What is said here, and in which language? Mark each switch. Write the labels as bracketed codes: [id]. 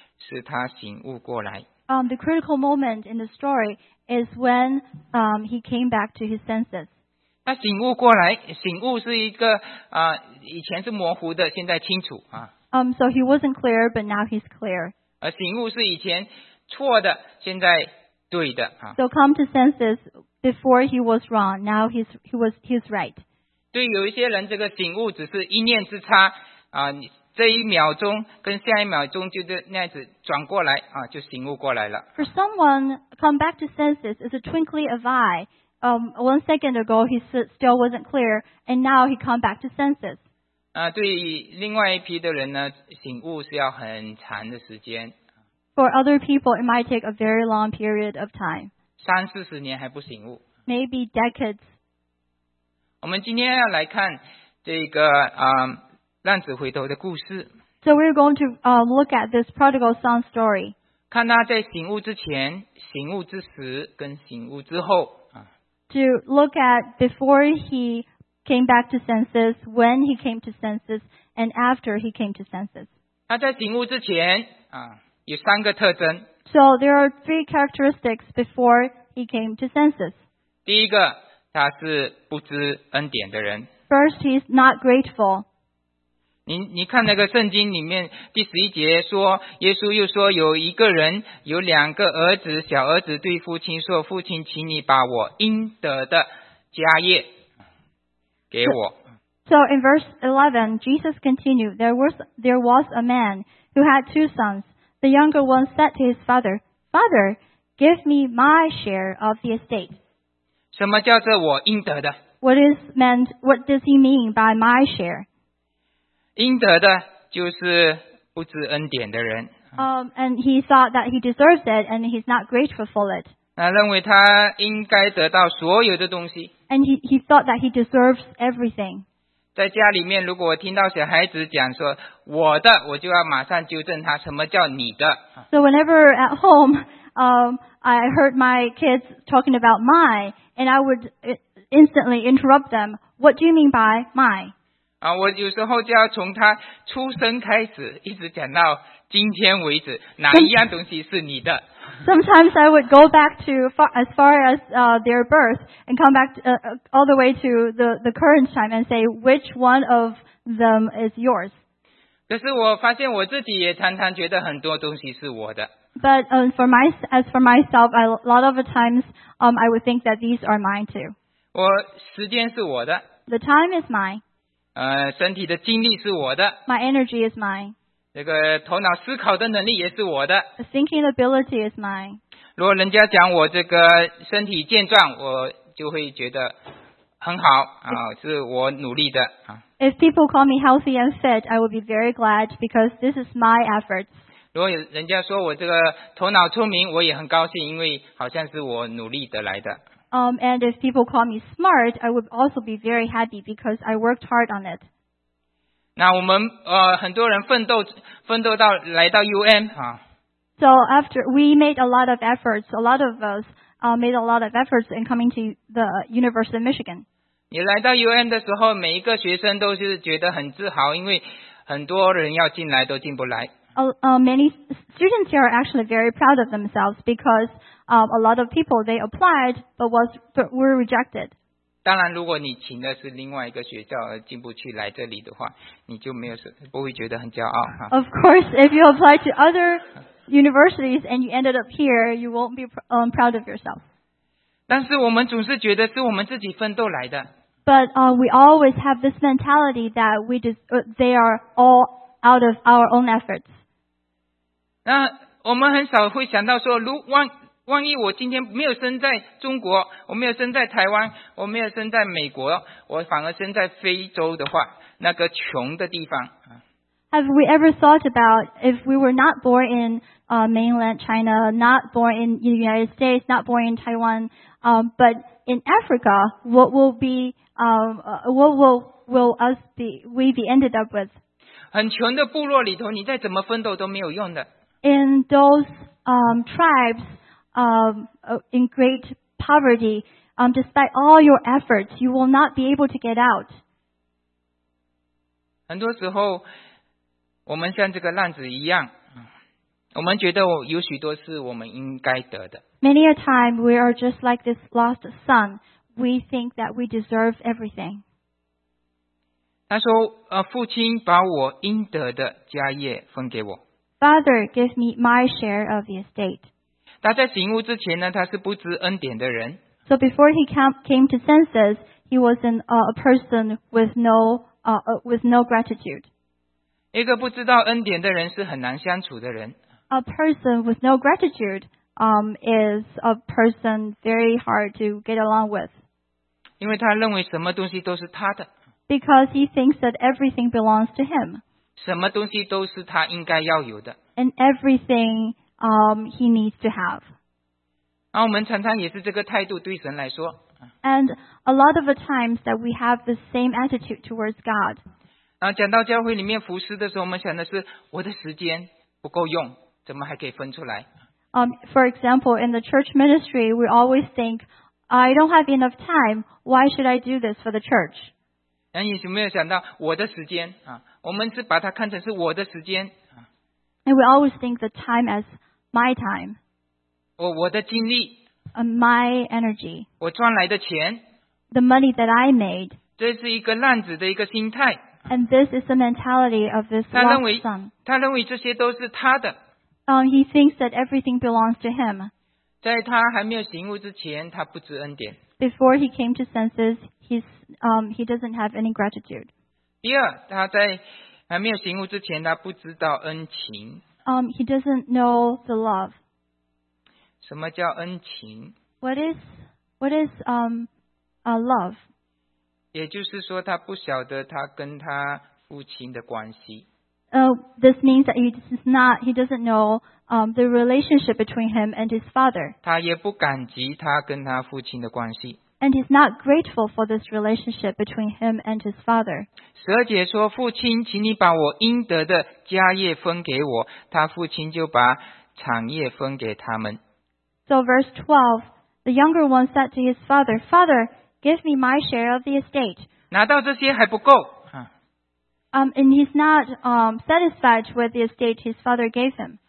[en] The critical moment in the story is when he came back to his senses. [zh] 他醒悟过来，醒悟是一个以前是模糊的，现在清楚啊。 [en] So he wasn't clear, but now he's clear. [zh] 醒悟是以前错的，现在对的啊。 [en] So come to senses before he was wrong, now he's right. [zh] 对，有一些人这个醒悟只是一念之差啊。这一秒钟跟下一秒钟就这样子转过来啊，就醒悟过来了。 [en] For someone come back to senses is a twinkling of eye. One second ago he still wasn't clear, and now he come back to senses. [zh] 对另外一批的人呢，醒悟是要很长的时间。 [en] For other people, it might take a very long period of time. [zh] 三四十年还不醒悟。 [en] Maybe decades. [zh] 我们今天要来看这个浪子回头的故事。 [en] So we're going to look at this prodigal son story. [zh] 看他在醒悟之前、醒悟之时跟醒悟之后。 [en] To look at before he came back to senses, when he came to senses, and after he came to senses. [zh] 他在醒悟之前有三个特征。 [en] So there are three characteristics before he came to senses. [zh] 第一个，他是不知恩典的人。 [en] First, he's not grateful. [zh] 你看那个圣经里面第十一节说，耶稣又说，有一个人有两个儿子，小儿子对父亲说，父亲，请你把我应得的家业给我。 [en] So in verse 11, Jesus continued, there was a man who had two sons. The younger one said to his father, Father, give me my share of the estate. [zh] 什么叫做我应得的？ [en] What does he mean by my share? [zh] 应得的就是不知恩典的人。 [en] And he thought that he deserves it, and he's not grateful for it. [zh] 认为他应该得到所有的东西。 [en] And he thought that he deserves everything. [zh] 在家里面，如果我听到小孩子讲说我的，我就要马上纠正他，什么叫你的 [en] ？So whenever at home, I heard my kids talking about mine, and I would instantly interrupt them. What do you mean by mine? [zh] 我有时候就要从他出生开始一直讲到今天为止，哪一样东西是你的。 [en] Sometimes I would go back to as far as their birth and come back all the way to the current time and say which one of them is yours. [zh] 可是我发现我自己也常常觉得很多东西是我的。 [en] But for myself, a lot of the times I would think that these are mine too. [zh] 我时间是我的。 [en] The time is mine. [zh] 身体的精力是我的。 [en] My energy is mine. [zh] 这个头脑思考的能力也是我的。 [en] The thinking ability is mine. [zh] 如果人家讲我这个身体健壮，我就会觉得很好啊，是我努力的啊。 [en] If people call me healthy and fit, I will be very glad because this is my efforts. [zh] 如果人家说我这个头脑聪明，我也很高兴，因为好像是我努力得来的。 [en] And if people call me smart, I would also be very happy because I worked hard on it. [zh] 那我们很多人奋斗到来到 UM 啊。 [en] So after we made a lot of efforts, a lot of us made a lot of efforts in coming to the University of Michigan. [zh] 你来到 UM 的时候，每一个学生都是觉得很自豪，因为很多人要进来都进不来。 [en] Many students here are actually very proud of themselves because a lot of people they applied but were rejected. [zh] 当然，如果你请的是另外一个学校而进不去来这里的话，你就没有不会觉得很骄傲。 [en] Of course, if you apply to other universities and you ended up here, you won't be proud of yourself. [zh] 但是我们总是觉得是我们自己奋斗来的。 [en] But we always have this mentality that they are all out of our own efforts. [zh] 那我们很少会想到说，万一我今天没有生在中国，我没有生在台湾，我没有生在美国，我反而生在非洲的话，那个穷的地方。 [en] Have we ever thought about if we were not born in mainland China, not born in the United States, not born in Taiwan, but in Africa, what will be, what will we be ended up with? [zh] 很穷的部落里头，你再怎么奋斗都没有用的。 [en] In those tribes, in great poverty, despite all your efforts, you will not be able to get out. [zh] 很多时候，我们像这个浪子一样，我们觉得有许多是我们应该得的。 [en] Many a time we are just like this lost son. We think that we deserve everything. [zh] 他说，父亲把我应得的家业分给我。 [en] Father, give me my share of the estate. [zh] 他在醒悟之前呢，他是不知恩典的人。 [en] So before he came to senses, he was a person with no gratitude. [zh] 一个不知道恩典的人是很难相处的人。 [en] A person with no gratitude, is a person very hard to get along with. [zh] 因为他认为什么东西都是他的。 [en] Because he thinks that everything belongs to him. [zh] 什么东西都是他应该要有的。 [en] And everything, he needs to have. [zh] 那我们常常也是这个态度对神来说。 [en] And a lot of the times that we have the same attitude towards God. [zh] 讲到教会里面服事的时候，我们想的是我的时间不够用，怎么还可以分出来？ [en] For example, in the church ministry, we always think, I don't have enough time. Why should I do this for the church? [zh] 那你有没有想到我的时间啊？我们是把它看成是我的时间。 [en] And we always think the time as my time. [zh] 我的精力。 [en] My energy. [zh] 我赚来的钱。 [en] The money that I made. [zh] 这是一个浪子的一个心态。 [en] And this is the mentality of this lost son. [zh] 他认为这些都是他的。 [en] He thinks that everything belongs to him. [zh] 在他还没有醒悟之前，他不知恩典。 [en] Before he came to senses, he doesn't have any gratitude. [zh] 第二，他在还没有醒悟之前，他不知道恩情。 [en] He doesn't know the love. [zh] 什么叫恩情？ [en] What is love? [zh] 也就是说，他不晓得他跟他父亲的关系。 [en] This means that he doesn't know the relationship between him and his father. [zh] 他也不感激他跟他父亲的关系。 [en] And he's not grateful for this relationship between him and his father. [zh] 十二节说，父亲，请你把我应得的家业分给我。他父亲就把产业分给他们。 [en] So verse 12, the younger one said to his father, Father. Give me my share of the estate. [zh] 拿到这些还不够。 [en] And he's not satisfied with the estate his father gave him.